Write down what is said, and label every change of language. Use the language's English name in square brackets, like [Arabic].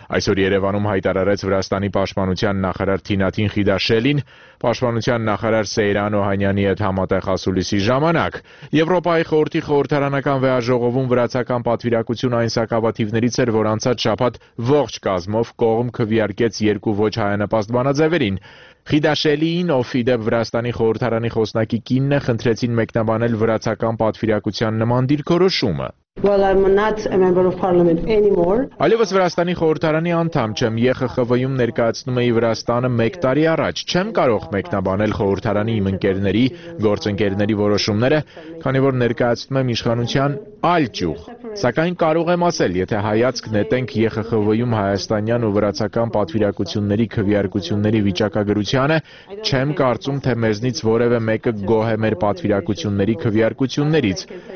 [Armenian] Այսօր Երևանում հայտարարեց Վրաստանի պաշտպանության նախարար Թինաթին Խիդաշելին, պաշտպանության նախարար Սեյրան Օհանյանի հետ համատեղ ասուլիսի ժամանակ։ Եվրոպայի խորհրդի խորհրդարանական վեաժողովում վրացական պատվիրակություն այն սակավաթիվներից էր, որ անցած շաբաթ ողջ կազմով կողմ քվեարկեց երկու ոչ հայանպաստ բանաձևերին։ Խիդաշելիին, ով իդեպ Վրաստանի խորհրդարանի խոսնակի կիննը, խնդրեցին մեկնաբանել վրացական պատվիրակության նման դիրքորոշումը։ [English] Well, I'm not a member of parliament anymore. [Armenian] Այլևս Վրաստանի խորհրդարանի անդամ չեմ, ԵԽԽՎ-ում ներկայացնում էի Վրաստանը 1 տարի առաջ։ Չեմ կարող մեկնաբանել խորհրդարանի իմ ընկերների, գործընկերների որոշումները, քանի որ ներկայացնում եմ իշխանության այլ ճյուղ։ Սակայն կարող եմ ասել, եթե հայացք նետենք ԵԽԽՎ-ում հայաստանյան ու վրացական պատվիրակությունների քվեարկությունների վիճակագրությանը, չեմ կարծում, թե մեզնից որևէ մեկը գոհ է մեր պատվիրակությունների քվեարկություններից։